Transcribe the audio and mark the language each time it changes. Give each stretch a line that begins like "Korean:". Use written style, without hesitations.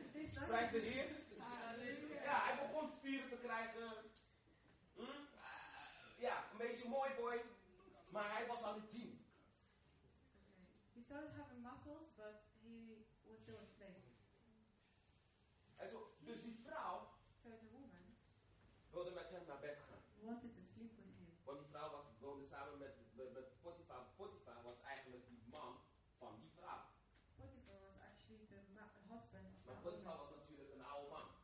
Dutch: Spreekt het hier? Ja, hij begon spieren te krijgen. Ja, een beetje mooi boy. Maar hij was aan het tien.
English: He started having muscles, but he was still a slave.
Dutch: En zo, dus die vrouw
English: so the woman
Dutch: wilde met hem naar bed gaan.
English: Wanted to sleep with him.
Dutch: Want die vrouw woonde samen met Potiphar. Potiphar was eigenlijk die man van die vrouw.
English: Potiphar was actually the husband of
Dutch: maar Potiphar was natuurlijk een oude man.